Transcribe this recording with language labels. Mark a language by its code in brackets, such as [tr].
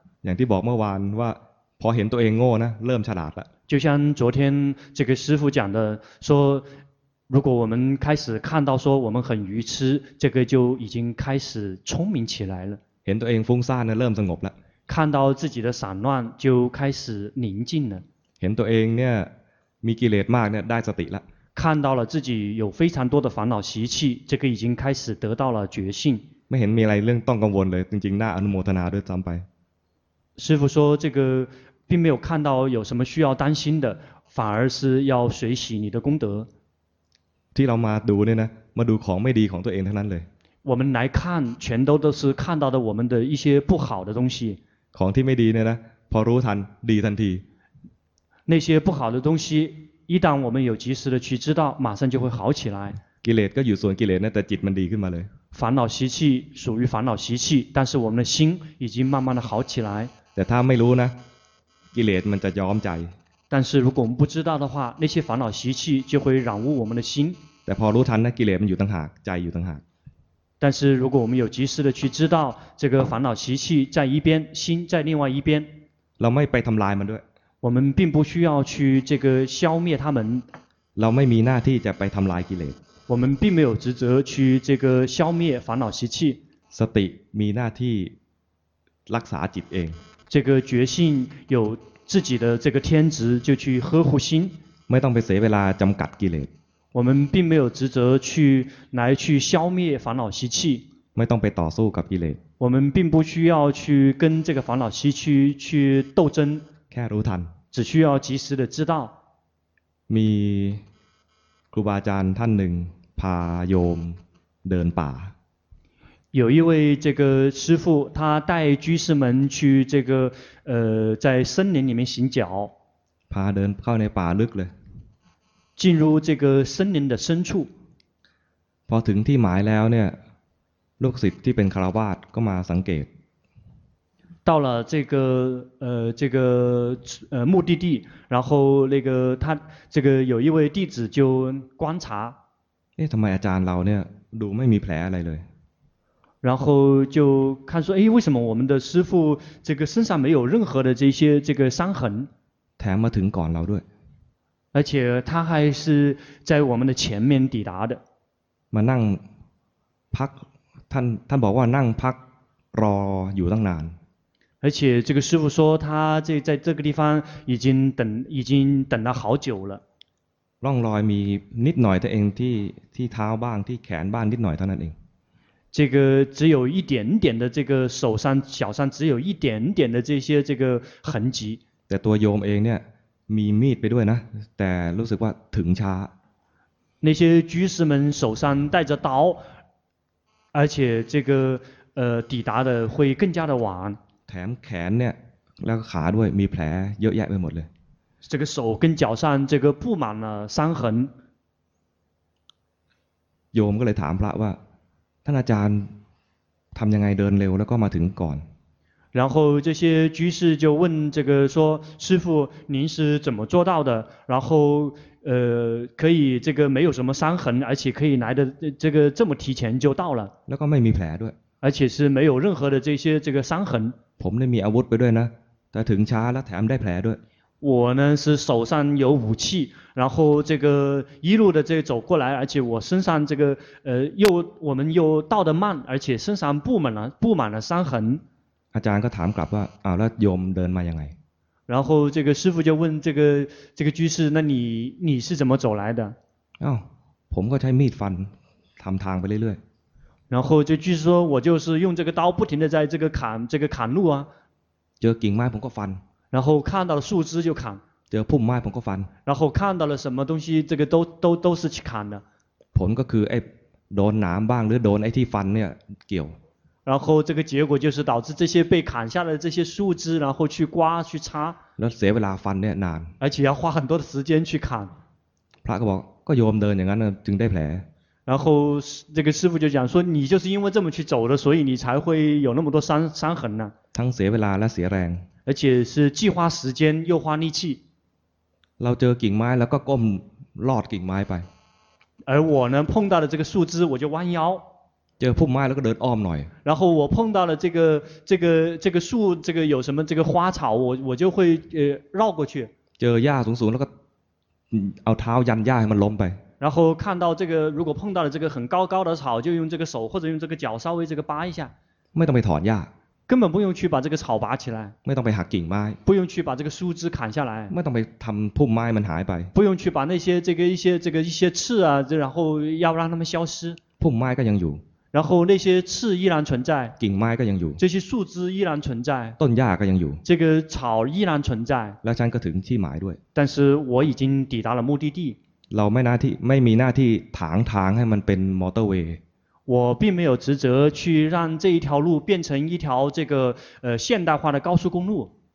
[th] อย่างที่บอกเมื่อวานว่าพอเห็นตัวเองโง่นะเริ่มฉลาดละ [zh] 就像昨天这个师父讲的说如果我们开始看到说我们很愚痴这个就已经开始聪明起来了 [th] เห็นตัวเองฟุ้งซ่านเริ่มสงบแล้ว [zh] 看到自己的散乱就开始宁静了 [th] เห็นตัวเองเนี่ยมีกิเลสมากเนี่ยได้สติแล้ว [zh] 看到了自己有非常多的烦恼习气这个已经开始得到了觉性 [th] ไม่เห็นมีอะไรเรื่องต้องกังวลเลยจริงๆน่าอนุโมทนาด้วยซ้ำไป [zh] 师父说这个并没有看到有什么需要担心的反而是要随喜你的功德 [th] ที่เรามาดูเนี่ยนะมาดูของไม่ดีของตัวเองเท่านั้นเลย [zh] 我们来看全都是看到的我们的一些不好的东西 [th] ของที่ไม่ดีเนี่ยนะพอรู้ทันดีทันที [zh] 那些不好的东西一旦我们有及时的去知道马上就会好起来 [th] กิเลสก็อยู่ส่วนกิเลสนะแต่จิตมันดีขึ้นมาเลย [zh] 烦恼习气属于烦恼习气但是我们的心已经慢慢的好起来 [th] แต่ถ้าไม่รู้นะกิเลสมันจะยอมใจ [zh] 但是如果我们不知道的话那些烦恼习气就会染污我们的心 [th] แต่พอรู้ทันนะกิเลสมันอยู่ต่างหากใจอยู่ต่างหาก [zh] 但是如果我们有及时的去知道这个烦恼习气在一边心在另外一边 [th] เราไม่ไปทำลายมันด้วย [zh] 我们并不需要去这个消灭他们 [th] เราไม่มีหน้าที่จะไปทำลายกิเลส [zh] 我们并没有职责去这个消灭烦恼习气 [th] สติมีหน้าที่รักษาจิตเอง [zh] 这个觉性有自己的这个天职就去呵护心 [th] ไม่ต้องไปเสียเวลาจำกัดกิเลส [zh] 我们并没有职责去来去消灭烦恼习气 [th] ไม่ต้องไปต่อสู้กับกิเลส [zh] 我们并不需要去跟这个烦恼习气去斗争 [th] แค่รู้ทัน [zh] 只需要及时的知道 [th] มีครูบาอาจารย์ท่านหนึ่งพาโยมเดินป่า [zh] 有一位这个师父他带居士们去这个在森林里面行脚 [th] พาเดินเข้าในป่าลึกเลย [zh] 进入这个森林的深处 [th] พอถึงที่หมายแล้วเนี่ยลูกศิษย์ที่เป็นคฤหัสถ์ก็มาสังเกต [zh] 到了这个这个目的地然后那个他这个有一位弟子就观察 [th] เอ๊ะทำไมอาจารย์เราเนี่ยดูไม่มีแผลอะไรเลย [zh] 然后就看说哎为什么我们的师父这个身上没有任何的这些这个伤痕 [th] แถมมาถึงก่อนเราด้วย [zh] 而且他还是在我们的前面抵达的 [th] มานั่งพักท่านบอกว่านั่งพักรออยู่ตั้งนาน [zh] 而且这个师父说他在这个地方已经等了好久了 [th] ร่องรอยมีนิดหน่อยแต่เองที่เท้าบ้างที่แขนบ้างนิดหน่อยเท่านั้นเอง [zh] 这个只有一点点的这个手上脚上只有一点点的这些这个痕迹 [th] แต่ตัวโยมเองเนี่ยมีมีดไปด้วยนะแต่รู้สึกว่าถึงช้า [zh] 那些居士们手上带着刀而且这个抵达的会更加的晚 [th] แถมแขนเนี่ยแล้วขาด้วยมีแผลเยอะแยะไปหมดเลย [zh] 这个手跟脚上这个布满了伤痕 [th] โยมก็เลยถามพระว่าท่านอาจารย์ทำยังไงเดินเร็วแล้วก็มาถึงก่อน [zh] 然后这些居士就问这个说师父您是怎么做到的然后可以这个没有什么伤痕而且可以来的这个这么提前就到了 [th] แล้วก็ไม่มีแผลด้วย [zh] 而且是没有任何的这些这个伤痕 [th] ผมได้มีอาวุธไปด้วยนะแต่ถึงช้าแล้วแถมได้แผลด้วย [zh] 我呢是手上有武器然后这个一路的这走过来而且我身上这个又我们又到得慢而且身上布满了伤痕 [th] อาจารย์ก็ถามกลับว่าอ้าวแล้วโยมเดินมายังไง [zh] 然后这个师父就问这个居士那你是怎么走来的 [th] อ้าวผมก็ใช้มีดฟันทำทางไปเรื่อย [zh] ๆ然后这居士说我就是用这个刀不停的在这个砍路啊 [th] เจอกิ่งไม้ผมก็ฟัน [zh] 然后看到树枝就砍 [th] เจอพุ่มไม้ผมก็ฟัน [zh] 然后看到了什么东西这个都是去砍的 [th] ผลก็คือไอ้โดนหนามบ้างหรือโดนไอ้ที่ฟันเนี่ยเกี่ยว [zh] 然后这个结果就是导致这些被砍下来的这些树枝然后去刮去擦 [th] แล้วเสียเวลาฟันเนี่ยนาน [zh] 而且要花很多的时间去砍 [th] พระก็บอกก็โยมเดินอย่างนั้นจึงได้แผล [zh] 然后这个师父就讲说你就是因为这么去走的所以你才会有那么多伤痕呢 [th] ทั้งเสียเวลาและเสียแรง [zh] 而且是既花时间又花力气 [th] เราเจอกิ่งไม้แล้วก็ก้มลอดกิ่งไม้ไป [zh] 而我呢碰到了这个树枝我就弯腰 [th] เจอพุ่มไม้แล้วก็เดินอ้อมหน่อย [zh] 然后我碰到了这个树这个有什么这个花草我就会绕过去 [th] เจอหญ้าสูงๆแล้วก็เอาเท้ายันหญ้าให้มันล้มไป [zh] 然后看到这个如果碰到了这个很高高的草就用这个手或者用这个脚稍微这个扒一下 [th] ไม่ต้องไปถอนหญ้า [zh] 根本不用去把这个草拔起来 [th] ไม่ต้องไปหักกิ่งไม้ [zh] 不用去把这个树枝砍下来 [th] ไม่ต้องไปทำพุ่มไม้มันหายไป [zh] 不用去把那些这个一些刺啊然后要让它们消失 [th] พุ่มไม้ก็ยังอยู่ [zh] 然后那些刺依然存在 [th] กิ่งไม้ก็ยังอยู่ [zh] 这些树枝依然存在 [th] ต้นหญ้าก็ยังอยู่ [zh] 这个草依然存在 [th] แล้วฉันก็ถึงที่หมายด้วย [zh] 但是我已经抵达了目的地 [th] เราไม่มีหน้าที่ถางทางให้มันเป็นมอเตอร์เวย์ [zh] 我并没有职责去让这一条路变成一条这个现代化的高速公路。